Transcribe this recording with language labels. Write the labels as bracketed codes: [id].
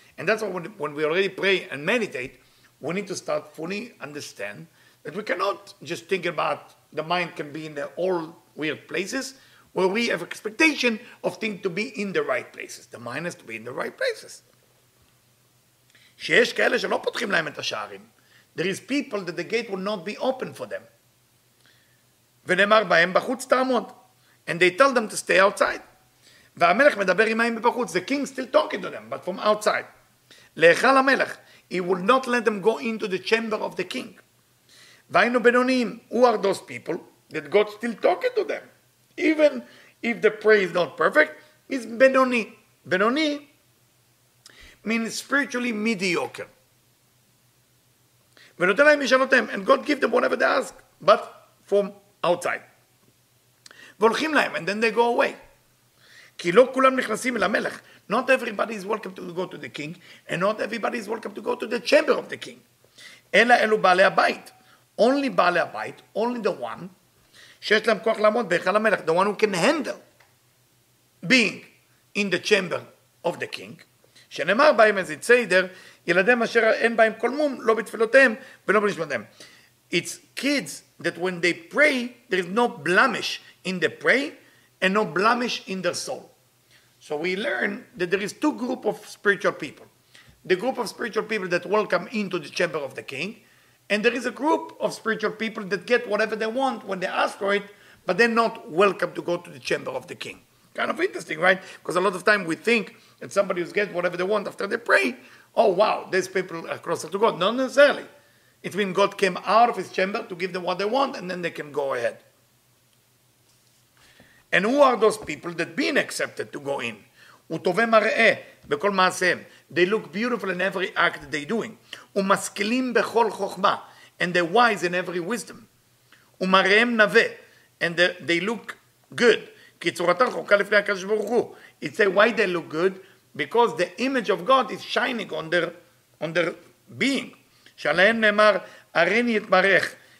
[en] And that's why when we already pray and meditate, we need to start fully understand that we cannot just think about the mind can be in the all weird places where we have expectation of things to be in the right places. The mind has to be in the right places. [he] שיש כאלה שלא פותחים להם את השערים. [en] There is people that the gate will not be open for them. [he] ונאמר בהם בחוץ תעמוד. [en] And they tell them to stay outside. [he] והמלך מדבר עמהם בחוץ. [en] The king still talking to them, but from outside. [he] להיכל המלך. [en] He will not let them go into the chamber of the king. [he] והיינו בינוניים. [en] Who are those people that God still talking to them? Even if the prayer is not perfect, it's בינוני. בינוני means spiritually mediocre. [he] ונותן להם משאלותיהם, [en] and God give them whatever they ask, but from outside. [he] והולכים להם, [en] and then they go away. [he] כי לא כולם נכנסים אל המלך. [en] Not everybody is welcome to go to the king, and not everybody is welcome to go to the chamber of the king. [he] אלא אלו בעלי הבית. [en] Only [he] בעלי הבית, [en] only the one, [he] שיש להם כוח לעמוד בהיכל המלך, [en] the one who can handle being in the chamber of the king, [he] שנאמר בהם איזה צדר, ילדים אשר אין בהם כל מום, לא בתפילותיהם ולא בנשמותיהם. [en] It's kids that when they pray, there is no blemish in the pray and no blemish in their soul. So we learn that there is two group of spiritual people. The group of spiritual people that welcome into the chamber of the king, and there is a group of spiritual people that get whatever they want when they ask for it, but they're not welcome to go to the chamber of the king. Kind of interesting, right? Because a lot of time we think that somebody who's getting whatever they want after they pray, oh wow, these people are closer to God. Not necessarily. It means God came out of his chamber to give them what they want, and then they can go ahead. And who are those people that been accepted to go in? [he] וטובי מראה בכל מעשיהם. [en] They look beautiful in every act they're doing. [he] ומשכילים בכל חוכמה. [en] And they're wise in every wisdom. [he] ומראיהם נווה. [en] And they look good. [he] כי צורתם רחוקה לפני הקדוש ברוך הוא. [en] It says why they look good? Because the image of God is shining on their being. [he] שעליהם נאמר, הריני את מראך.